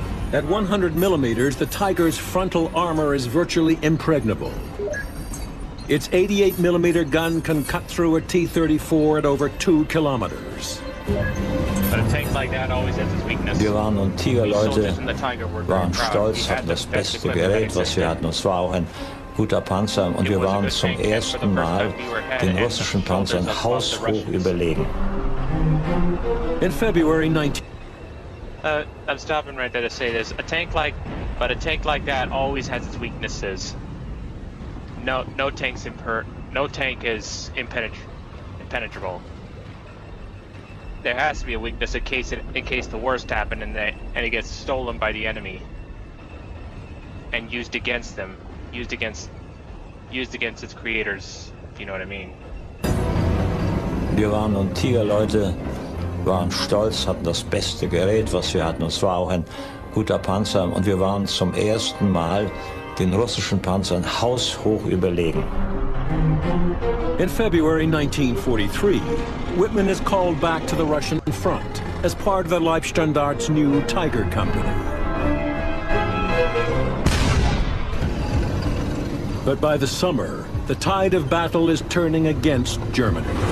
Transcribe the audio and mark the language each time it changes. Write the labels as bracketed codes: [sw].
[en] At 100 millimeters, the Tiger's frontal armor is virtually impregnable. Its 88 millimeter gun can cut through a T-34 at over 2 kilometers. But a tank like that always has its weakness. [de] Wir waren und Tigerleute waren stolz, hatten das beste Gerät, was wir hatten. Es war auch ein guter Panzer und wir waren zum ersten Mal den russischen Panzern haushoch überlegen. [en] In February 19. 19- I'm stopping right there to say this. A tank like that always has its weaknesses. No tank is impenetrable. There has to be a weakness in case the worst happened and it gets stolen by the enemy and used against them, used against its creators, if you know what I mean. [de] Wir waren nun Tigerleute, waren stolz, hatten das beste Gerät, was wir hatten, und es war auch ein guter Panzer, und wir waren zum ersten Mal den russischen Panzern haushoch überlegen. [en] In February 1943, Wittmann is called back to the Russian front as part of the Leibstandarte's new Tiger Company. But by the summer, the tide of battle is turning against Germany.